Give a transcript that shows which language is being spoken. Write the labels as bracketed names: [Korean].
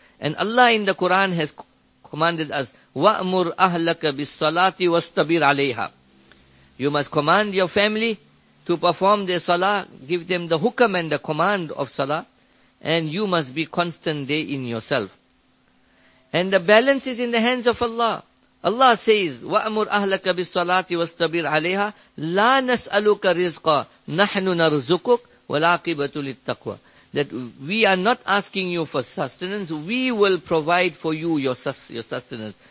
[English] And Allah in the Quran has commanded us, [Arabic] وَأْمُرْ أَهْلَكَ بِالصَّلَاةِ وَاسْتَبِرْ عَلَيْهَا. [English] You must command your family to perform their salah, give them the hukam and the command of salah, and you must be constant there in yourself. And the balance is in the hands of Allah. Allah says, [Arabic] وَأْمُرْ أَهْلَكَ بِالصَّلَاةِ وَاسْتَبِرْ عَلَيْهَا. لَا نَسْأَلُكَ رِزْقًا نَحْنُ نَرْزُقُكَ. وَلَاقِبَةُ لِلتَّقْوَى. [English] That we are not asking you for sustenance, we will provide for you your sustenance.